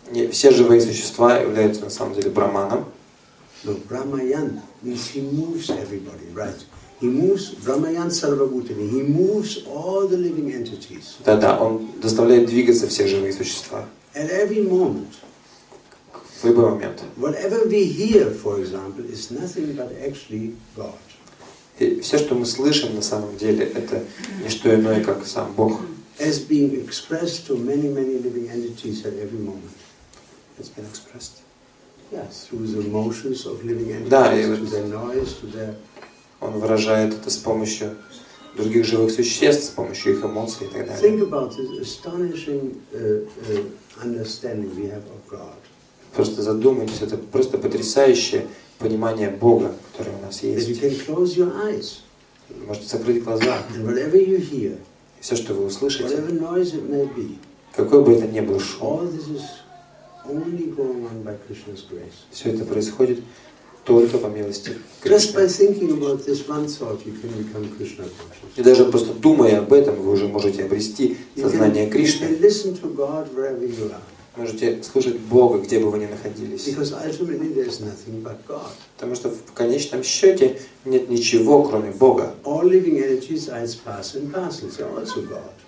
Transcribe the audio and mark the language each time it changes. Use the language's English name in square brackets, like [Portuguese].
[Russian] Все живые существа являются на самом деле Брахманом. [English] No, Брахмаям means he moves everybody, right? He moves Brahmaian sarvabhutani. He moves all the living entities. [Russian] Да-да, он заставляет двигаться все живые существа. [English] At every moment. [Russian] В любой момент. [English] Whatever we hear, for example, is nothing but actually God. [Russian] И все, что мы слышим, на самом деле, это не что иное, как сам Бог. [English] As being expressed to many, many living entities at every moment. It's been expressed. Yes, through the motions of living entities, through their noise, through their. [Russian] Он выражает это с помощью других живых существ, с помощью их эмоций и так далее. [English] Think about this astonishing understanding we have of God. [Russian] Просто задумайтесь, это просто потрясающее понимание Бога, которое у нас есть. [English] You can close your eyes. [Russian] Можете закрыть глаза. [English] And whatever you hear, [Russian] и все, что вы услышите, [English] whatever noise it may be, [Russian] какой бы это ни был шум, [English] all this is only going on by Krishna's grace. [Russian] Все это происходит только по милости Кришны. [English] Just by thinking about this one thought, you can become Krishna conscious. [Russian] И даже просто думая об этом, вы уже можете обрести сознание Кришны. [English] You can listen to God wherever you are. [Russian] Можете слушать Бога, где бы вы ни находились. [English] Because ultimately there's nothing but God. [Russian] Потому что в конечном счете нет ничего, кроме Бога. [English] All living energies are its parts and parcels. They're also God.